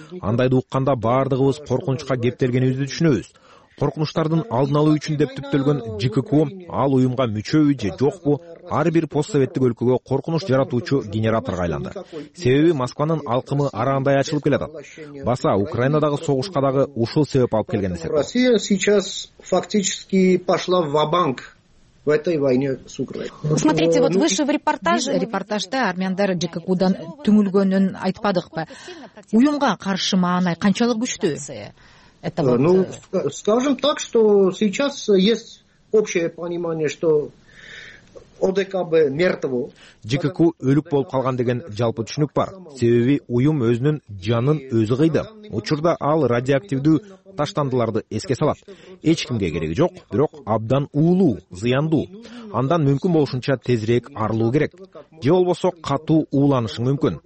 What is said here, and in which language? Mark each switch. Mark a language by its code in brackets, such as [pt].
[ky] Андайды укканда баардыгыбыз коркунучка кептелгенибизди түшүнөбүз. Коркунучтардын алдын алуу үчүн деп түптөлгөн ЖККУ ал уюмга мүчөбү же жокпу ар бир постсоветтик өлкөгө коркунуч жаратуучу генераторго айланды. Себеби Москванын алкымы ара кандай ачылып келатат. Баса Украинадагы согушка дагы ушул себеп алып келген эсеп. [ru] Россия сейчас фактически пошла ва-банк. В этой войне с Украиной. Смотрите, вот выше в репортаже. [ky] Репортажда армяндар ЖККУдан түмүлгөнүн айтпадыкпы? Уюмга каршы маанай канчалык күчтүү? [ru] Ну, скажем так, что сейчас есть общее понимание, что ОДКБ мертво. [ky] ЖККУ өлүк болуп калган деген жалпы түшүнүк бар. Себеби уюм өзүнүн жанын өзү кыйды. Учурда ал радиоактивдүү таштандыларды эске салат. Эч кимге кереги жок, бирок абдан уулуу, зыяндуу. Андан мүмкүн болушунча тезирээк арылуу керек. Же болбосо катуу ууланышың мүмкүн.